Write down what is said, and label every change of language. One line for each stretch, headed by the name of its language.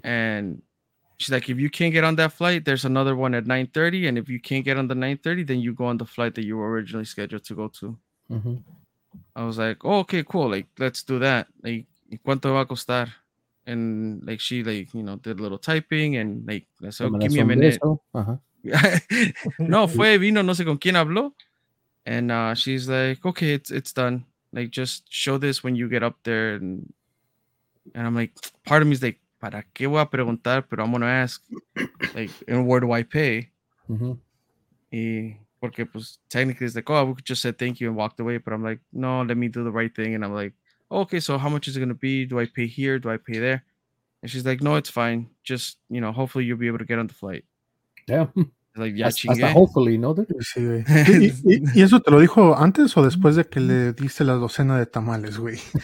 English: And she's like, if you can't get on that flight, there's another one at 9:30. And if you can't get on the 9:30, then you go on the flight that you were originally scheduled to go to. Mm-hmm. I was like, oh, okay, cool. Like, let's do that. Like,
Spanish: ¿cuánto va a costar?
English: And like, she, like, you know, did a little typing and like, let's say, give me a minute. Uh-huh.
Spanish: No, fue vino, no sé con quién habló.
English: And she's like, okay, it's done. Like, just show this when you get up there. And I'm like, part of me is like,
Spanish: ¿para qué voy a preguntar? Pero
English: I'm going to ask, like, and where do I pay? Mm-hmm.
Spanish: Y porque, pues,
English: technically, it's like, oh, we could just say thank you and walked away. But I'm like, no, let me do the right thing. And I'm like, okay, so how much is it going to be? Do I pay here? Do I pay there? And she's like, no, it's fine. Just, you know, hopefully you'll be able to get on the flight. Yeah.
Spanish: Like, ya hasta
English: hopefully,
Spanish: ¿no? Sí, güey. ¿Y eso te lo dijo antes o después de que le diste la docena de tamales, güey?